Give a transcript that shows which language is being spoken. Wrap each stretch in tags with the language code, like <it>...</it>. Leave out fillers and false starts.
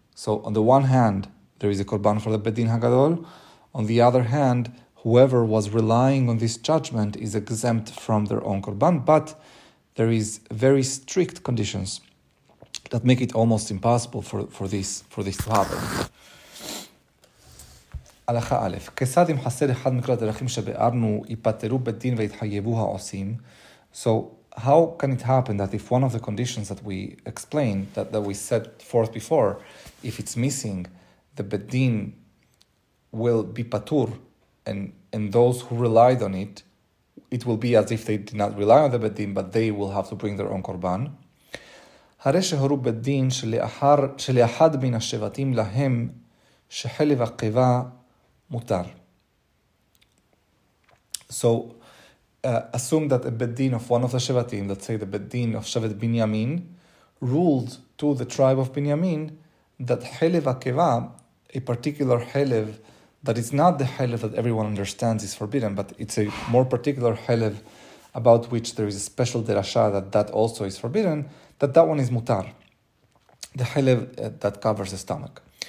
<en>So on the one hand, there is a Korban for the Bet Din HaGadol. On the other hand, whoever was relying on this judgment is exempt from their own Korban. But there is very strict conditions that make it almost impossible for this to happen.</en> <he>הלכה א', כסד אם חסר אחד מכל הדרכים שבארנו, ייפטרו בדין והתחייבו העושים.</he> <en>So, how can it happen that if one of the conditions that we explained, that we set forth before, if it's missing, the בדין will be patur, and those who relied on it, it will be as if they did not rely on the בדין, but they will have to bring their own קורבן.</en> <he>הרי שהורו בדין שלאחד מן השבטים להם, שחלב הקיבה, mutar.</he> <en>So, assume that a Bet Din of one of the Shevatim, let's say the Bet Din of Shevet Binyamin, ruled to the tribe of Binyamin that Helev Akeva, a particular Helev that is not the Helev that everyone understands is forbidden, but it's a more particular Helev about which there is a special derasha that also is forbidden, that one is mutar, the Helev that covers the stomach.</en>